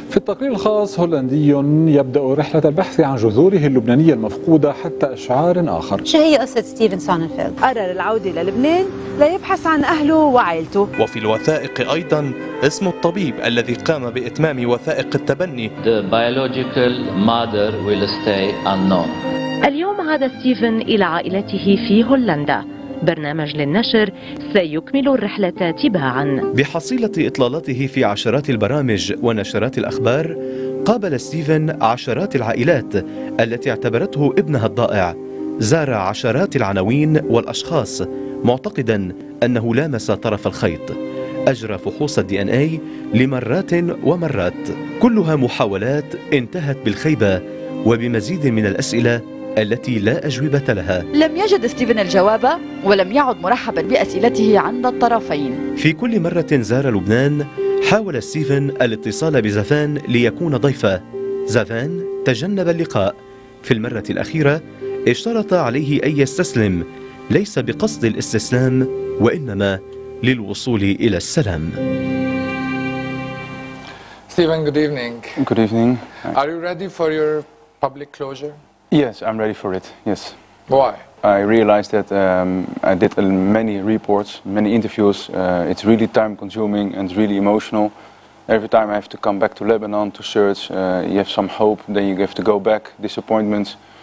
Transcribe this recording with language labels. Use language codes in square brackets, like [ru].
[ar] في التقرير الخاص هولندي يبدأ رحلة البحث عن جذوره اللبنانية المفقودة حتى أشعار آخر. شو هي قصة ستيفن سونفيلد؟ قرر العودة للبنان ليبحث عن أهله وعائلته. وفي الوثائق أيضا اسم الطبيب الذي قام بإتمام وثائق التبني. [en] The biological mother will stay unknown. [ar] اليوم عاد ستيفن إلى عائلته في هولندا. برنامج للنشر سيكمل الرحلة تباعاً. بحصيلة إطلالاته في عشرات البرامج ونشرات الأخبار قابل ستيفن عشرات العائلات التي اعتبرته ابنها الضائع. زار عشرات العناوين والأشخاص معتقداً أنه لامس طرف الخيط. أجرى فحوص الدي أن أي لمرات ومرات، كلها محاولات انتهت بالخيبة وبمزيد من الأسئلة التي لا أجوبة لها. لم يجد ستيفن الجواب ولم يعد مرحبا بأسئلته عند الطرفين. في كل مرة زار لبنان حاول ستيفن الاتصال بزفان ليكون ضيفة، زفان تجنب اللقاء. في المرة الأخيرة اشترط عليه أن يستسلم، ليس بقصد الاستسلام وإنما للوصول إلى السلام. [en] Stephen good evening. Good evening. Are you ready for your public closure? Yes, I'm ready for it. Yes. Why? I realized that I did many reports, many interviews. It's really time consuming and really emotional. Every time I have to come back to Lebanon to search, you have some hope, then you have to go back, disappointments.